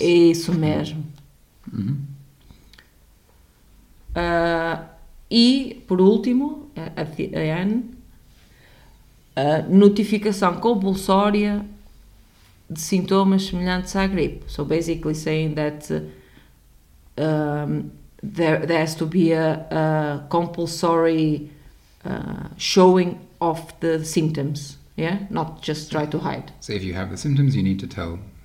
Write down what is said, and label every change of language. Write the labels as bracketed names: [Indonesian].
[Portuguese] Isso mesmo. Mm-hmm. E, por último, [English] at the end, [Portuguese] notificação compulsória de sintomas semelhantes à gripe. [English] So basically saying that there has to be a compulsory showing of the symptoms. Yeah, not just try to hide. So if you have the symptoms, you need to tell.